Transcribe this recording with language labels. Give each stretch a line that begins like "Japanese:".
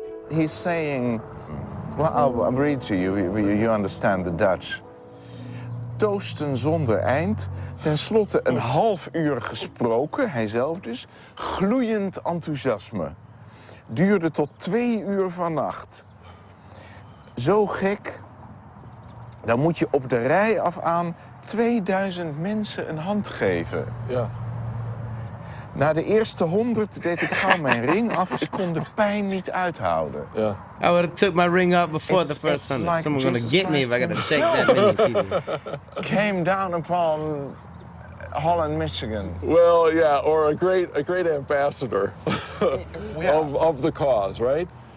English: He's saying, well, I'll read to you, you understand the Dutch.
Dutch: Toosten zonder eind. Ten slotte een half uur gesproken, hijzelf dus, gloeiend enthousiasme. Duurde tot 2 uur vannacht. Zo gek, dan moet je op de rij af aan 2000 mensen een hand geven. Ja. Na de eerste 100 deed ik gauw mijn ring af. Ik kon de pijn niet uithouden. Ja.
English: I would have took my ring off before the first 100. Like someone's gonna get me if I gotta take that many people. Came down upon Holland, Michigan. Well, yeah, or a great ambassador of the cause, right?